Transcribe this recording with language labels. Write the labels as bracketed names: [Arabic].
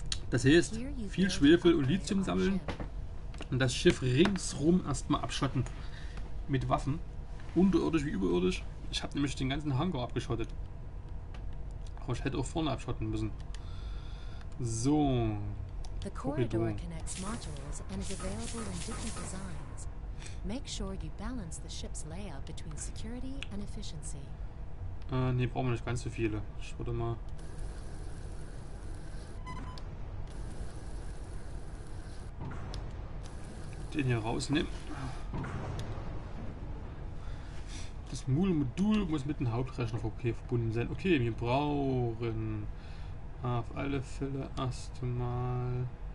[German] Das heißt, viel Schwefel und Lithium sammeln und das Schiff ringsrum erstmal abschotten. Mit Waffen. Unterirdisch wie überirdisch. Ich habe nämlich den ganzen Hangar abgeschottet. Aber ich hätte auch vorne abschotten müssen. So. [English] The corridor connects modules and is available in different designs. Make sure you balance the ship's layout between security and efficiency. [German] Ne, brauchen wir nicht ganz so viele. Ich würde mal. Den hier rausnehmen. Das Modul muss mit dem Hauptrechner verbunden sein. Okay, wir brauchen auf alle Fälle erstmal.